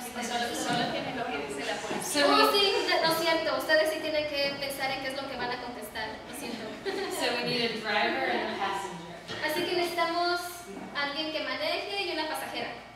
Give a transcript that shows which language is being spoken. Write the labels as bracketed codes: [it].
[es] Solo tienen lo que dice la policía. Oh, sí, lo siento. Ustedes sí tienen que pensar en qué es lo que van a contestar. Lo siento. [en] So we need a driver and a passenger. [es] Así que necesitamos alguien que maneje y una pasajera.